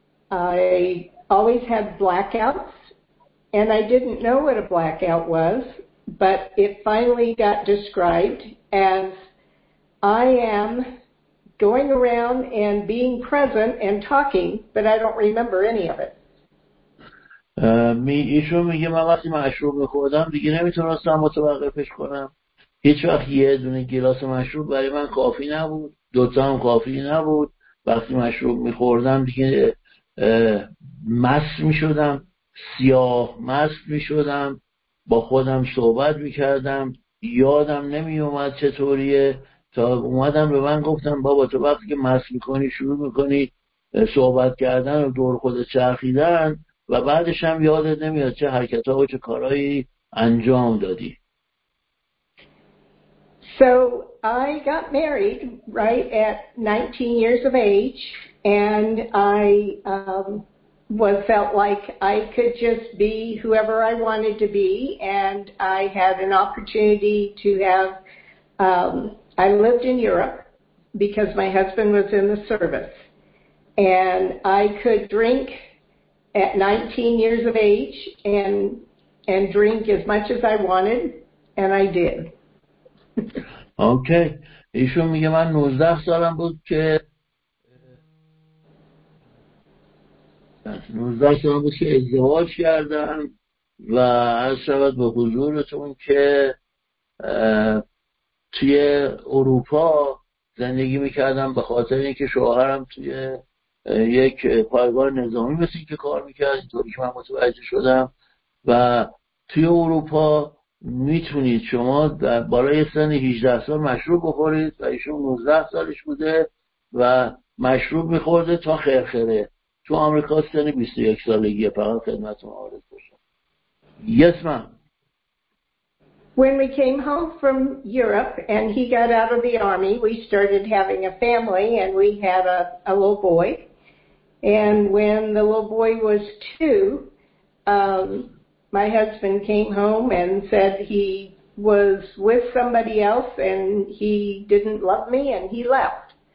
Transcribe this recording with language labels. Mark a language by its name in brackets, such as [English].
[English] I always had blackouts, and I didn't know what a blackout was, but it finally got described as I am going around and being present and talking, but I don't remember any of it. [Persian] ایشون میگه من وقتی مشروب میخوردم دیگه نمیتونستم متوقفش کنم. هیچ وقت یه دونه گلاس مشروب برای من کافی نبود، دوتا هم کافی نبود. وقتی مشروب میخوردم دیگه مست میشدم، سیاه مست میشدم، با خودم صحبت میکردم، یادم نمیومد چطوریه. تا اومدم به من گفتم بابا تو وقتی که مست میکنی شروع میکنی صحبت کردن و دور خودت چرخیدن و بعدش هم یادت نمیاد چه حرکت ها و چه کارهایی انجام دادی. [English] So I got married right at 19 years of age, and I was felt like I could just be whoever I wanted to be, and I had an opportunity to have I lived in Europe because my husband was in the service, and I could drink at 19 years of age and drink as much as I wanted, and I did. Okay. [Persian] ایشون میگه من 19 سالم بود که 19 سالم بود که ازدواج کردم و عرض شود به حضورتون که توی اروپا زندگی میکردم به خاطر اینکه شوهرم توی یک پایگاه نظامی مثل که کار میکرد، طوری که من متوجه شدم. و توی اروپا میتونید شما در بالای سن 18 سال مشروب بخورید و ایشون 19 سالش بوده و مشروب میخورده تا خرخره. تو آمریکا سن 21 سالگی فقط خدمتتون عرض بشه. [English] Yes ma'am. When we came home from Europe and he got out of the army, we started having a family and we had a little boy. And when the little boy was 2, my husband came home and said he was with somebody else and he didn't love me and he left.